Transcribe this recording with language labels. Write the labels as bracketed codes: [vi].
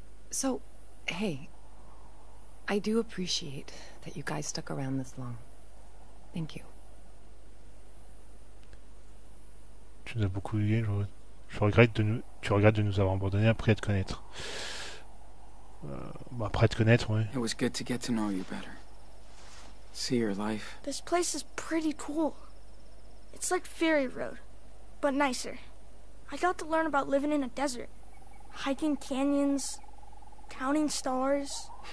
[en] So, hey, I do appreciate that you guys stuck around this long. Thank you. [fr] Tu nous as beaucoup aidé, je regrette de nous, tu regrettes de nous avoir abandonnés après te connaître. Après te connaître, ouais. [en] It was good to get to know you better. See your life. This place is pretty cool. It's like Fury Road, but nicer. I got to learn about living in a desert, hiking canyons, counting stars.